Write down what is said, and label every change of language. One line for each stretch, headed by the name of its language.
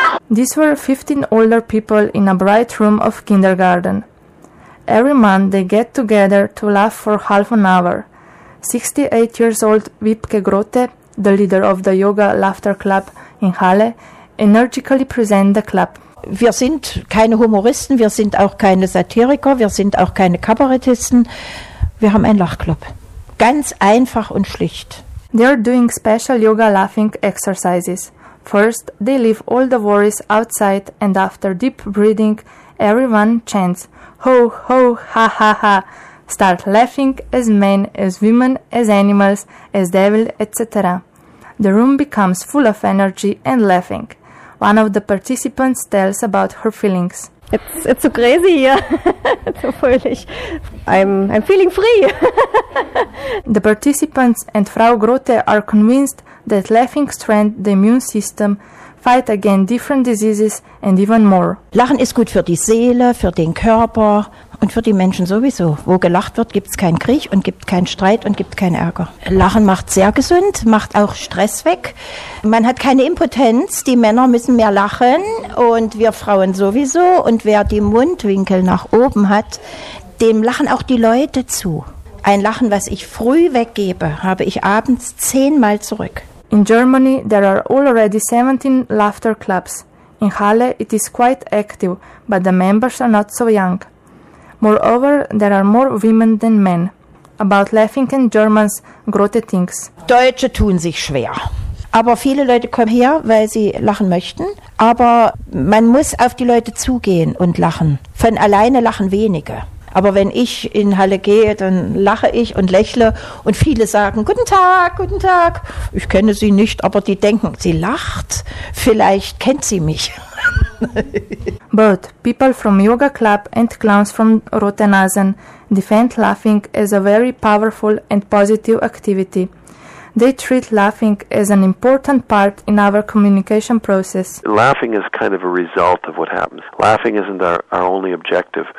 English: These were 15 older people in a bright room of kindergarten. Every month they get together to laugh for half an hour. 68 years old Wiebke Grote, the leader of the Yoga Laughter Club in Halle, energetically present the club.
German: Wir sind keine Humoristen, wir sind auch keine Satiriker, wir sind auch keine Kabarettisten. Wir haben einen Lachclub. Ganz einfach und schlicht.
English: They are doing special yoga laughing exercises. First, they leave all the worries outside, and after deep breathing, everyone chants, ho, ho, ha, ha, ha, start laughing as men, as women, as animals, as devil, etc. The room becomes full of energy and laughing. One of the participants tells about her feelings. It's so crazy here. It's so fröhlich. I'm feeling free. The participants and Frau Grote are convinced that laughing strengthens the immune system, fight against different diseases and even more.
German: Lachen ist gut für die Seele, für den Körper und für die Menschen sowieso. Wo gelacht wird, gibt's keinen Krieg und gibt keinen Streit und gibt keinen Ärger. Lachen macht sehr gesund, macht auch Stress weg. Man hat keine Impotenz, die Männer müssen mehr lachen und wir Frauen sowieso. Und wer die Mundwinkel nach oben hat, dem lachen auch die Leute zu. Ein Lachen, was ich früh weggebe, habe ich abends 10-mal zurück.
English: In Germany there are already 17 laughter clubs. In Halle it is quite active, but the members are not so young. Moreover, there are more women than men. About laughing and Germans, Grote thinks.
German: Deutsche tun sich schwer. Aber viele Leute kommen her, weil sie lachen möchten. Aber man muss auf die Leute zugehen und lachen. Von alleine lachen wenige. Aber wenn ich in Halle gehe, dann lache ich und lächle. Und viele sagen, guten Tag, guten Tag. Ich kenne sie nicht, aber die denken, sie lacht. Vielleicht kennt sie mich.
English: But people from Yoga Club and clowns from Rote Nasen defend laughing as a very powerful and positive activity. They treat laughing as an important part in our communication process. Laughing is kind of a result of what happens. Laughing isn't our only objective.